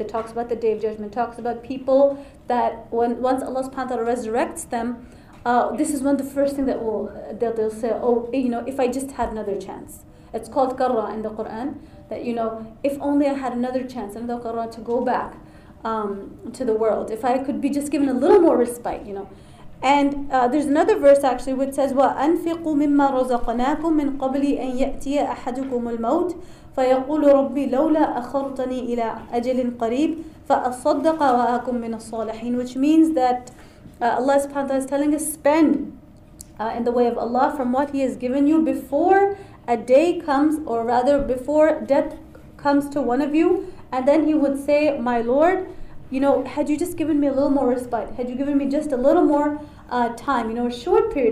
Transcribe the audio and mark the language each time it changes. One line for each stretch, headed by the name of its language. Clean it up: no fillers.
English: It talks about the Day of Judgment. It talks about people that once Allah subhanahu wa ta'ala resurrects them, this is one of the first thing that they'll say, oh, you know, if I just had another chance. It's called karra in the Quran. That, you know, if only I had another chance, another karra, to go back to the world. If I could be just given a little more respite, you know. And there's another verse actually which says,
Arabic: وَأَنْفِقُوا مِمَّا رَزَقْنَاكُمْ مِنْ قَبْلِ أَنْ يَأْتِيَ أَحَدُكُمُ الْمَوْتِ فَيَقُولُ رَبِّي لَوْلَا أَخَرْتَنِي إِلَىٰ أَجَلٍ قَرِيبٍ فَأَصَّدَّقَ وَأَكُمْ مِنَ الصَّالِحِينَ.
English: Which means that Allah subhanahu wa ta'ala is telling us, spend in the way of Allah from what He has given you before a day comes, or rather before death comes to one of you. And then he would say, my Lord, you know, had you just given me a little more respite, had you given me just a little more time, you know, a short period.